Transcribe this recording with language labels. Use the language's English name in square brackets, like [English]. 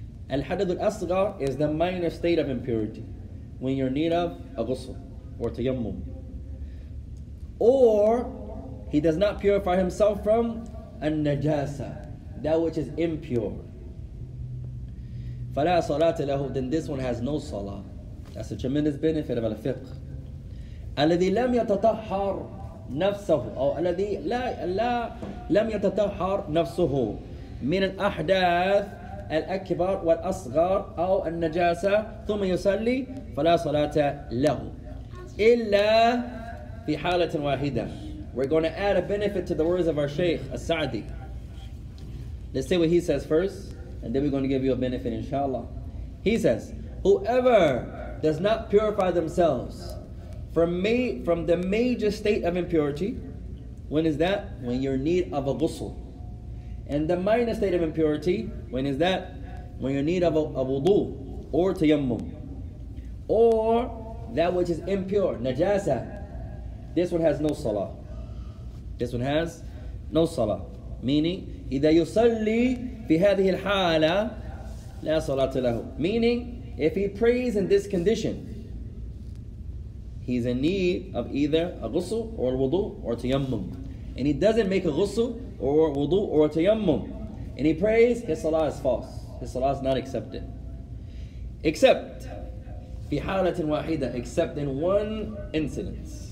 [English] Al-hadath al-asghar is the minor state of impurity, when you're in need of a ghusl or tayammum. Or he does not purify himself from an-najasa, that which is impure. [Arabic] فَلَا صَلَاتَ لَهُ, [English] then this one has no salah. That's a tremendous benefit of al-fiqh. [Arabic] أَلَذِي لَمْ يَتَطَحَّرْ نفسه أو الذي لا لا لم يتطهر نفسه من الأحداث الأكبر والأصغر أو النجاسة ثم يصلي فلا صلاة له. إلا في حالة واحدة. [English] We're going to add a benefit to the words of our Shaykh As-Sa'di. Let's say what he says first, and then we're going to give you a benefit, inshallah. He says, whoever does not purify themselves from the major state of impurity, when is that? When you're in need of a ghusl. And the minor state of impurity, when is that? When you're in need of a wudu or tayammum. Or that which is impure, najasa. This one has no salah. This one has no salah. Meaning, [Arabic] إِذَا يُصَلِّي فِي هَذِهِ الْحَالَ لَا صَلَاتَ لَهُ. [English] Meaning, if he prays in this condition, he's in need of either a ghusl or a wudu or a tayammum. And he doesn't make a ghusl or a wudu or a tayammum. And he prays, his salah is false. His salah is not accepted. Except, [Arabic] في حالة واحدة, [English] except in one incident.